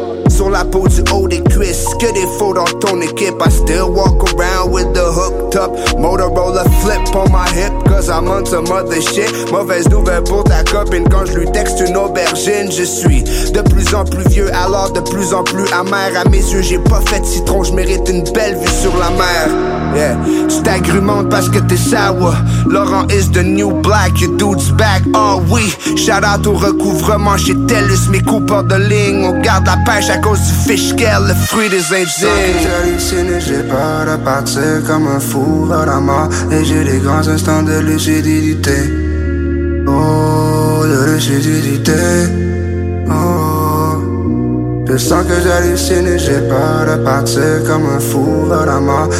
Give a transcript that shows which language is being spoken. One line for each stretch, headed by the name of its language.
French: Sur la peau du haut des cuisses, que des faux dans ton équipe.
English: I still walk around with the hooked up Motorola flip on my hip, cause I'm on some other shit.
French: Mauvaise nouvelle pour ta copine quand je lui texte une aubergine. Je suis de plus en plus vieux, alors de plus en plus amer. À mes yeux, j'ai pas fait de citron, je mérite une belle vue sur la mer. Yeah, tu t'agrumentes parce que t'es sour.
English: Laurent is the new black, your dude's back.
French: Oh oui, shout out au recouvrement chez Tellus, mes coupeurs de ligne. On garde la pêche à cause du fish girl, le fruit des indiens. J'hallucine et j'ai peur de partir comme un fou vers la mort. Et j'ai des grands instants de lucidité. Oh, de lucidité. Oh, je sens que j'hallucine et j'ai peur de partir comme un fou vers la mort.